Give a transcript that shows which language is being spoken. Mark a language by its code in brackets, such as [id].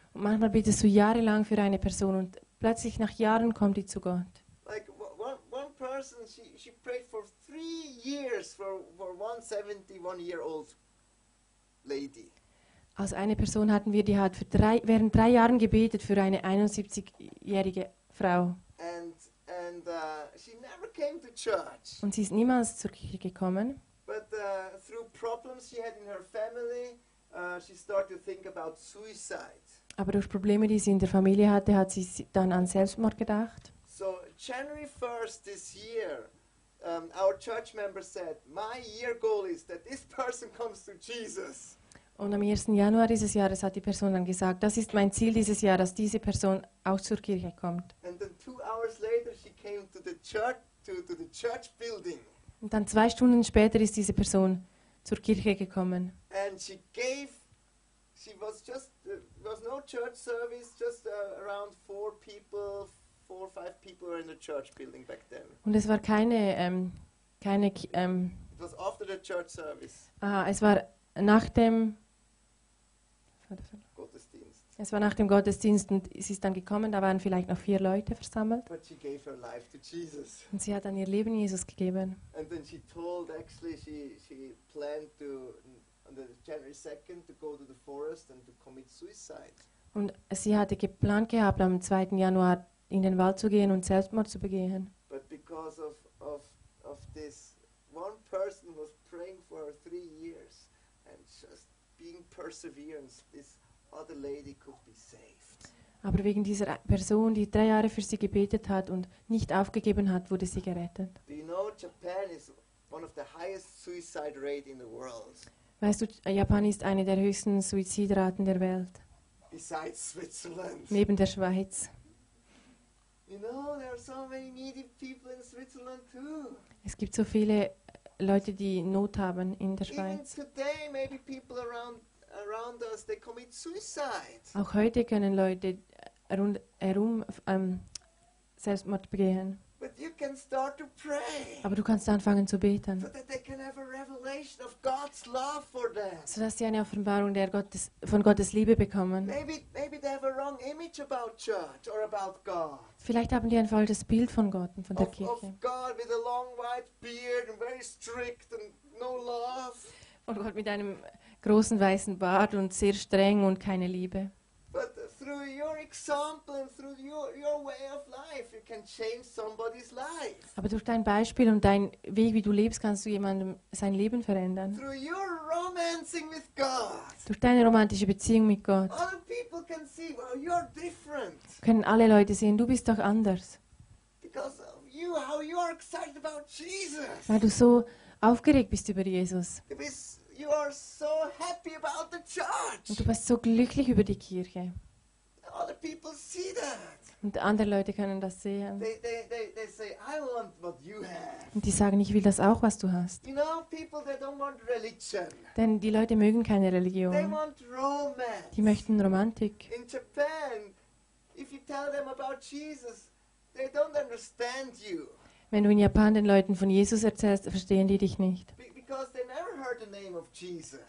[de] Und manchmal betest du jahrelang für eine Person und plötzlich nach Jahren kommt die zu Gott. [en] Like one person, she prayed for 3 years for one 71-year-old lady. [de] Also eine Person hatten wir, die hat während 3 Jahren gebetet für eine 71-jährige Frau. [en] And she never came to church. [de] Und sie ist niemals zur Kirche gekommen. [en] But through problems she had in her family, she started to think about suicide. [de] Aber durch Probleme, die sie in der Familie hatte, hat sie dann an Selbstmord gedacht. [en] So, January 1st this year, our church member said, my year goal is that this person comes to Jesus. [de] Und am 1. Januar dieses Jahres hat die Person dann gesagt, das ist mein Ziel dieses Jahr, dass diese Person auch zur Kirche kommt. [en] And then 2 hours later she came to the church, to the church building. [de] Und dann 2 Stunden später ist diese Person zur Kirche gekommen. [en] And there was no church service, just around 4 or 5 people were in the church building back then. [de] Und es war keine [en] it was after the church service. [de] Es war nach dem Gottesdienst. Es war nach dem Gottesdienst und sie ist dann gekommen, da waren vielleicht noch 4 Leute versammelt. [en] But she gave her life to Jesus. [de] Und sie hat dann ihr Leben Jesus gegeben. [en] And then she told actually she planned to on the January 2nd to go to the forest and to commit suicide. [de] Und sie hatte geplant gehabt, am 2. Januar in den Wald zu gehen und Selbstmord zu begehen. [en] But because of this one person was praying for 3 years and just being perseverance, this other lady could be saved. [de] Aber wegen dieser Person, die 3 Jahre für sie gebetet hat und nicht aufgegeben hat, wurde sie gerettet. [en] Do you know Japan is one of the highest suicide rate in the world? [de] Weißt du, Japan ist eine der höchsten Suizidraten der Welt. [en] Besides Switzerland. [de] Neben der Schweiz. [en] You know, there are so many needy people in Switzerland too. [de] Es gibt so viele Leute, die Not haben in der Schweiz. [en] Even today, maybe people around us, they commit suicide. [de] Auch heute können Leute herum Selbstmord begehen. [en] But you can start to pray. [de] Aber du kannst anfangen zu beten. [en] So that they can have a revelation of God's love for them. [de] So dass sie eine Offenbarung von Gottes Liebe bekommen. [en] Maybe they have a wrong image about church or about God. [de] Vielleicht haben die ein falsches Bild von Gott und von der Kirche. [en] Of God with a long white beard and very strict and no love. [de] Und Gott mit einem großen weißen Bart und sehr streng und keine Liebe. [en] But through your example and through your way of life, you can change somebody's life. [de] Aber durch dein Beispiel und dein Weg, wie du lebst, kannst du jemandem sein Leben verändern. [en] Through your romancing with God. [de] Durch deine romantische Beziehung mit Gott. [en] Other people can see, well, you're different. [de] Können alle Leute sehen, du bist doch anders. [en] Because of you, how you are excited about Jesus. [de] Weil du so aufgeregt bist über Jesus. [en] You are so happy about the church. [de] Und du bist so glücklich über die Kirche. [en] Other people see that. [de] Und andere Leute können das sehen. [en] They say, I want what you have. [de] Und die sagen, ich will das auch, was du hast. [en] You know, people, they don't want religion. [de] Denn die Leute mögen keine Religion. [en] They want romance. [de] Die möchten Romantik. [en] In Japan, if you tell them about Jesus, they don't understand you. [de] Wenn du in Japan den Leuten von Jesus erzählst, verstehen die dich nicht. [en] Because they never heard the name of Jesus.